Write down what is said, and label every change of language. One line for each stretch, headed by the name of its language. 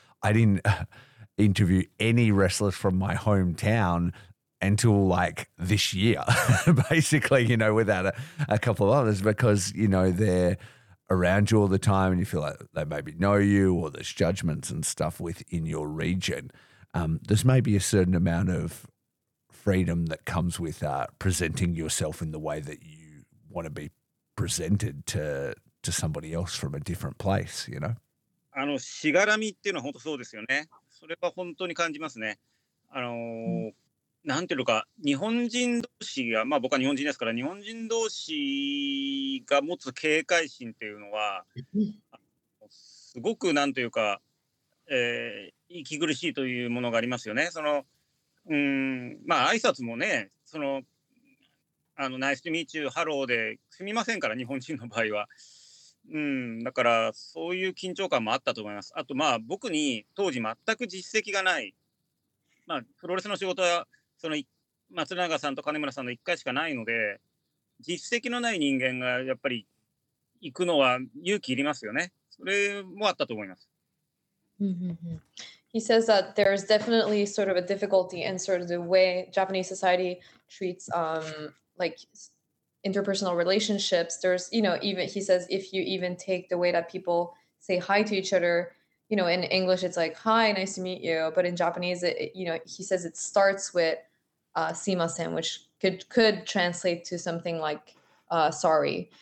English: I didn't interview any wrestlers from my hometown until like this year, basically, you know, without a couple of others, because, you know, they're around you all the time and you feel like they maybe know you or there's judgments and stuff within your region. There's maybe a certain amount of freedom that comes with presenting yourself in the way that you want to be presented to somebody else from a different place, you know?
Japanese: しがらみっていうのは本当そうですよね。それは本当に感じますね。なんていうのか、日本人同士が、まあ僕は日本人ですから、日本人同士が持つ警戒心っていうのは、すごくなんていうか、息苦しいというものがありますよね。その、まあ挨拶もね、その、
English: ナイスとミーチュー、ハロー
Japanese: で済みませんから、日本人の場合は。だからそういう緊張感もあったと思います。あとまあ僕に当時全く実績がない、まあプロレスの仕事は、その松永さんと金村さんの1回しかないので実績のない人間がやっぱり行くのは勇気いりますよね。それもあったと思います。
English: He says that there's definitely sort of a difficulty in sort of the way Japanese society treats like interpersonal relationships. There's, you know, even he says if you even take the way that people say hi to each other, you know, in English it's like hi, nice to meet you, but in Japanese it, you know, he says it starts with sumimasen, which could translate to something like sorry.